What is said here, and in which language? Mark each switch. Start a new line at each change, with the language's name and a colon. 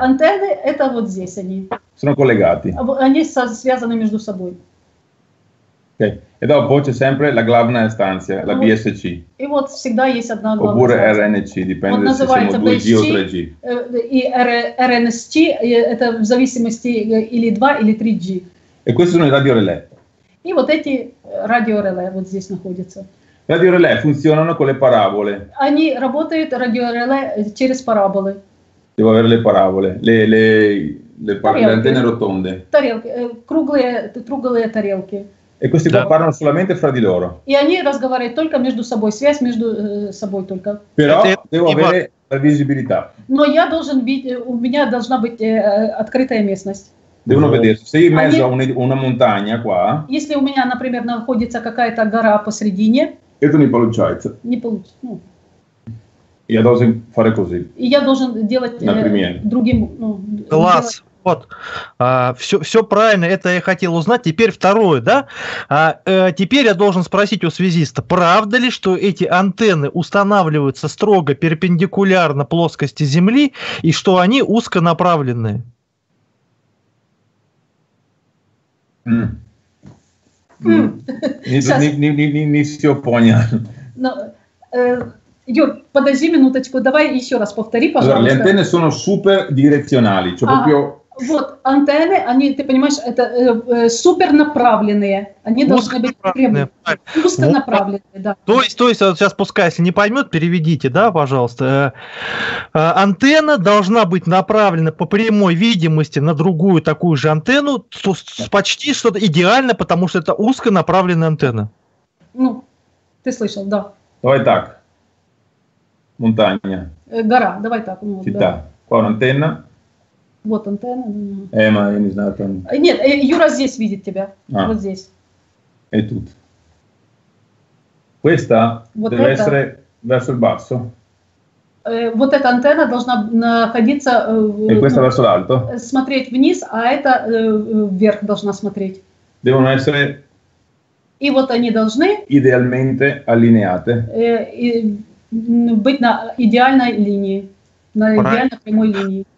Russian: Antenne, это вот здесь они.
Italian: Sono collegati.
Russian: Они связаны между собой. Ok.
Italian: E dopo c'è sempre la главная станция, la BSC.
Russian: И вот всегда есть одна главная.
Italian: Oppure RNC, dipende se siamo 2G o 3G.
Russian: И RNC, это в зависимости или 2, или 3G.
Italian: E questi sono i radioreле.
Russian: И вот эти радиореле вот здесь находятся. Радиореле функционируют
Italian: con le parabole.
Russian: Они работают радиореле через параболы.
Italian: Devo avere le parabole, le antenne rotonde.
Russian: Тарелки, круглые тарелки.
Italian: E questi qua parlano solamente fra di loro.
Russian: И они разговаривают только между собой, связь между собой только.
Italian: Però devo avere la visibilità.
Russian: Но я должен быть, у меня должна быть открытая местность.
Italian: Devono vedere. Se in mezzo a una montagna qua.
Russian: Если у меня, например, находится какая-то гора посередине. Это не получается. Не получится. Ну. Я должен
Italian: fare così.
Russian: И я должен делать другим. Класс. Вот, все правильно, это я хотел узнать. Теперь второе, да? Теперь я должен спросить у связиста, правда ли, что эти антенны устанавливаются строго перпендикулярно плоскости Земли и что они узконаправленные? Не все понял. Юр, подожди минуточку, давай еще раз повтори, пожалуйста.
Italian: Allora, le antenne sono super direzionali, cioè proprio...
Russian: Вот антенны, они, ты понимаешь, это супернаправленные, они должны быть узконаправленные, да. То есть, вот сейчас пускай, если не поймет, переведите, да, пожалуйста. Антенна должна быть направлена по прямой видимости на другую такую же антенну, почти что-то идеально, потому что это узконаправленная антенна. Ну, ты слышал, да. Давай так. Монтанья. Гора, давай так. Фита. Вот, да. Антенна. Вот антенна. Эма, я не знаю, там... Нет, Юра здесь видит тебя. А. Вот здесь. И тут.
Italian: Questa
Russian: вот
Italian: deve essere verso il basso.
Russian: Вот эта антенна должна находиться...
Italian: E questa verso l'alto.
Russian: Смотреть вниз, а эта вверх должна смотреть.
Italian: Devono essere...
Russian: И вот они должны...
Italian: Идеальменте allineate.
Russian: Быть на идеальной линии. На идеально прямой линии.